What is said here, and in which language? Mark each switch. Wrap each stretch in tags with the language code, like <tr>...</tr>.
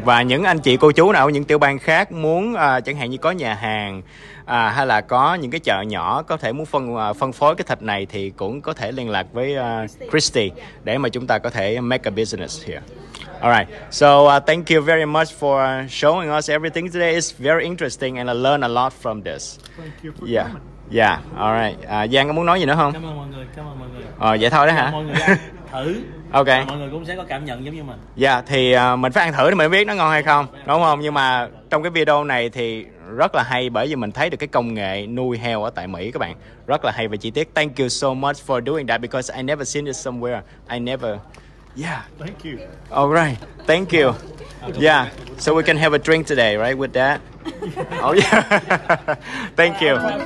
<vi>Và những anh chị cô chú nào ở những tiểu bang khác muốn chẳng hạn như có nhà hàng hay là có những cái chợ nhỏ có thể muốn phân phối cái thịt này thì cũng có thể liên lạc với Christy để mà chúng ta có thể</vi> <en>make a business here. Alright, so thank you very much for showing us everything today. It's very interesting and I learned a lot from this. Thank you for coming. Yeah, alright.</en> <vi>Giang có muốn nói gì nữa không? Cảm ơn mọi người. Vậy thôi đó hả? Mọi người ăn thử.</vi> <en>Ok.</en> <vi>Mọi người cũng sẽ có cảm nhận giống như mình. Dạ, thì mình phải ăn thử thì mình biết nó ngon hay không. Đúng không? Nhưng mà trong cái video này thì rất là hay, bởi vì mình thấy được cái công nghệ nuôi heo ở tại Mỹ các bạn. Rất là hay và chi tiết.</vi> <en>Thank you so much for doing that because I never seen it somewhere. Yeah. Thank you. All right. Thank you. Yeah. So we can have a drink today, right, with that? Oh yeah. Thank you.</en>